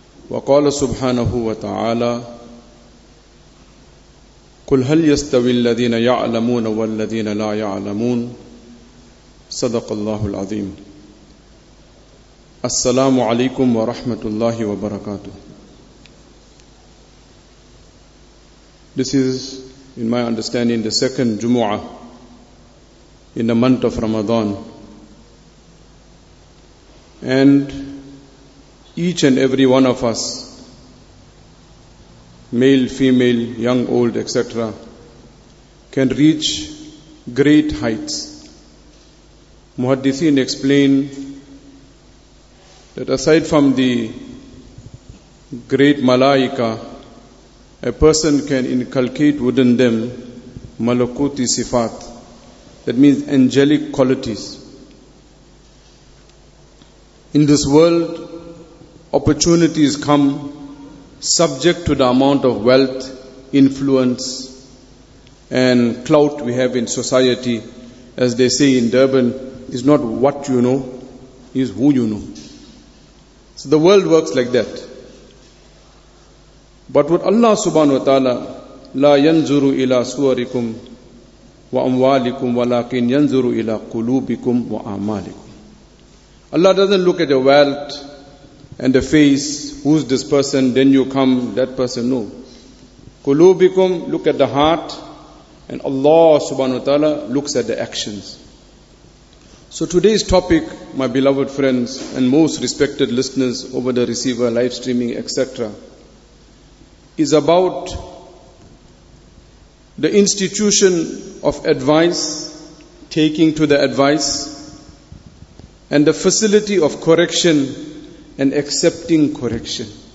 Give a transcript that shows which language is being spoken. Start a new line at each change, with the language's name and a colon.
Arabic: وقال سبحانه وتعالى قل هل يستوي الذين يعلمون والذين لا يعلمون صدق الله العظيم. السلام عليكم ورحمة الله وبركاته.
English: This is, in my understanding, the second Jumu'ah in the month of Ramadan. And each and every one of us, male, female, young, old, etc., can reach great heights. Muhaddithin explain that aside from the great malaika, a person can inculcate within them malakuti sifat, that means angelic qualities. In this world, opportunities come subject to the amount of wealth, influence, and clout we have in society. As they say in Durban, is not what you know, is who you know. So the world works like that. But what Allah subhanahu wa ta'ala,
Arabic: لا ينظر إلى صوركم وأموالكم ولكن ينظر إلى قلوبكم وأعمالكم.
English: Allah doesn't look at your wealth and the face, who's this person, then you come, that person, no. Qulubikum, look at the heart, and Allah subhanahu wa ta'ala looks at the actions. So today's topic, my beloved friends and most respected listeners over the receiver, live streaming, etc., is about the institution of advice, taking to the advice, and the facility of correction and accepting correction.